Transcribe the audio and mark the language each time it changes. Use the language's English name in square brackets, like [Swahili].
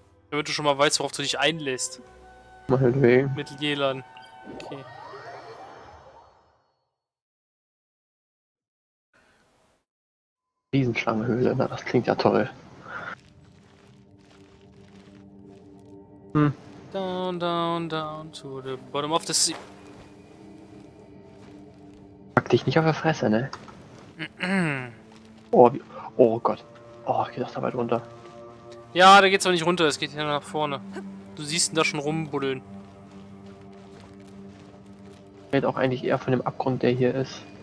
[German] Damit du schon mal weißt, worauf du dich einlässt. Meinetwegen. Mit Jelan. Okay. Riesenschlangenhöhle, na, das klingt ja toll. Hm. [English] Down, down, down to the bottom of the sea. [German] Pack dich nicht auf der Fresse, ne? Oh, wie, oh Gott. Oh, geht das da weit runter? Ja, da geht's aber nicht runter, es geht hier nach vorne. Du siehst ihn da schon rumbuddeln. Ich rede auch eigentlich eher von dem Abgrund, der hier ist.